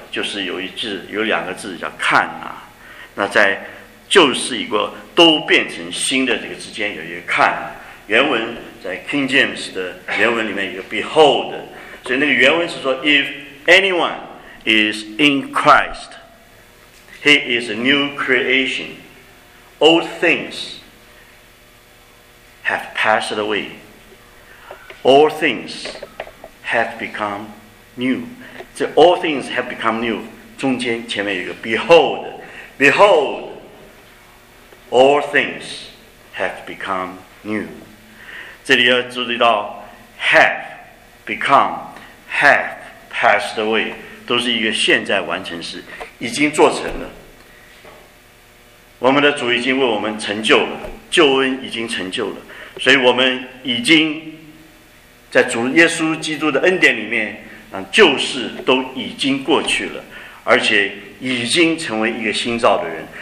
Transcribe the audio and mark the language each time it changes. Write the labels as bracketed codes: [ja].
[zh] 就是有一字，有两个字叫看啊。那在旧事已过，都变成新的这个之间有一个看。原文在 King James 的原文里面有 behold， 所以那个原文是说 ， [en] If anyone is in Christ。 He is a new creation. Old things have passed away. All things have become new. So all things have become new. [zh] 中间前面有一个 behold. [en] Behold, all things have become new. [zh] 这里要注意到 [en] have become, have passed away. [zh] 都是一个现在完成式，已经做成了。我们的主已经为我们成就了，救恩已经成就了，所以我们已经在主耶稣基督的恩典里面，旧事都已经过去了，而且已经成为一个新造的人。